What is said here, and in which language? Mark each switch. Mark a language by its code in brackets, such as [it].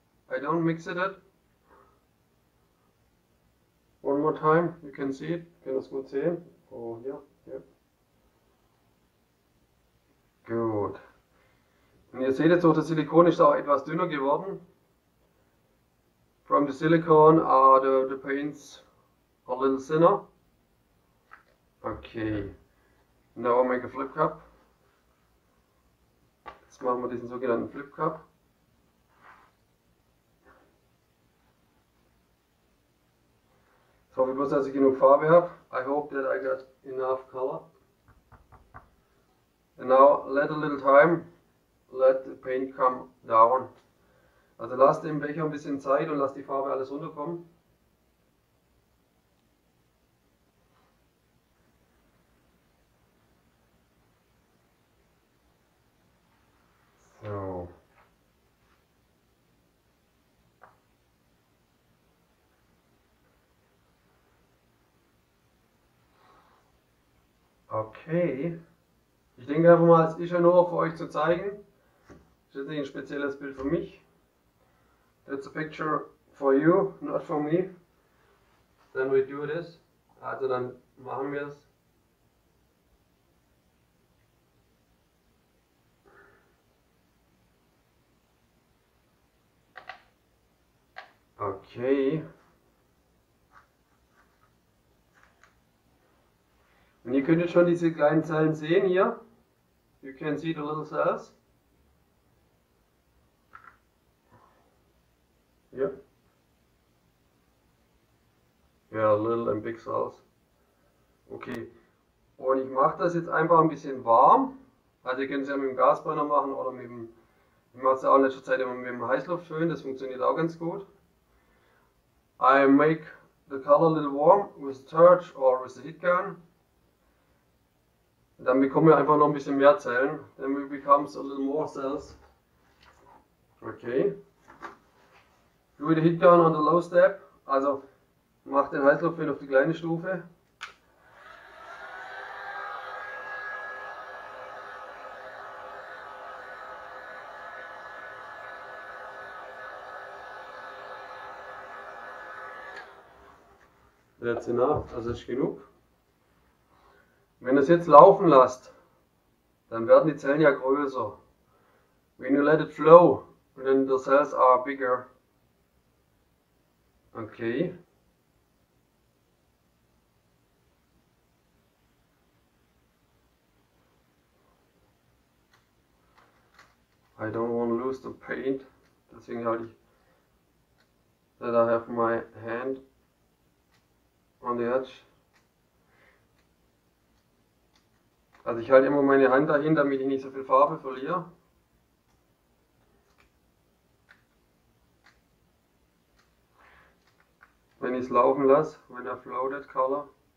[en] I don't mix it up. One more time, you can see it. You can [de] das gut sehen. Oh, hier. [en] Yeah. [de] Gut. Und ihr seht jetzt auch, das Silikon ist auch etwas dünner geworden. [en] From the silicone are the paints a little thinner. Okay. Now I make a flip cup. [de] Jetzt machen wir diesen sogenannten Flip Cup. Ich hoffe bloß, dass ich genug Farbe habe. [en] I hope that I got enough color. And now let a little time, let the paint come down. [de] Also lass dem Becher ein bisschen Zeit und lass die Farbe alles runterkommen. Okay, ich denke einfach mal, es ist ja nur für euch zu zeigen. Das ist nicht ein spezielles Bild für mich. [en] That's a picture for you, not for me. Then we do this. [de] Also dann machen wir es. Okay. Und ihr könnt schon diese kleinen Zellen sehen hier. [en] You can see the little cells. Yeah. Yeah, little and big cells. Okay. [de] Und ich mache das jetzt einfach ein bisschen warm. Also ihr könnt es ja mit dem Gasbrenner machen oder mit dem. Ich mache es auch in letzter Zeit immer mit dem Heißluft schön. Das funktioniert auch ganz gut. [en] I make the color a little warm with a torch or with a heat gun. [de] Dann bekommen wir einfach noch ein bisschen mehr Zellen. [en] Then we become a little more cells. [de] Okay. [en] Do the heat gun on the low step. [de] Also mach den Heißluftfilter auf die kleine Stufe. [en] That's enough, [de] das ist genug. Wenn du es jetzt laufen lässt, dann werden die Zellen ja größer. [en] When you let it flow, then the cells are bigger. Okay. I don't want to lose the paint, [de] deswegen halte ich, [en] that I have my hand on the edge. [de] Also ich halte immer meine Hand dahin, damit ich nicht so viel Farbe verliere. Wenn ich es laufen lasse, wenn er floated color.